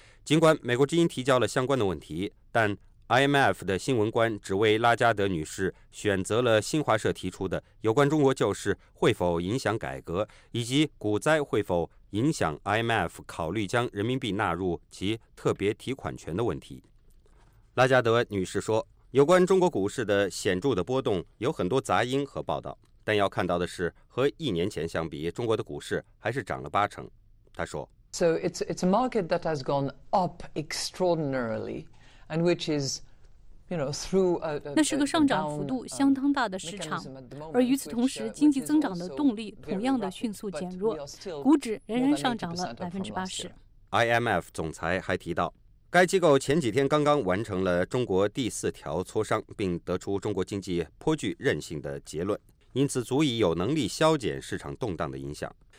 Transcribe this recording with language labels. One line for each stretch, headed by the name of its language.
Chinese: 尽管美国之音提交了相关的问题，但 IMF 的新闻官只为拉加德女士选择了新华社提出的有关中国救市会否影响改革以及股灾会否影响 IMF 考虑将人民币纳入其特别提款权的问题。拉加德女士说，有关中国股市的显著的波动有很多杂音和报道，但要看到的是和一年前相比中国的股市还是涨了八成。她说，
English: So it's a market that has gone up extraordinarily, and which is, you know, through a
Chinese: 那是个上涨幅度相当大的市场，而与此同时，经济增长的动力同样的迅速减弱，股指仍然上涨了80%。 IMF 总裁还提到，该机构前几天刚刚完成了中国第四条磋商，并得出中国经济颇具韧性的结论，因此足以有能力消减市场动荡的影响。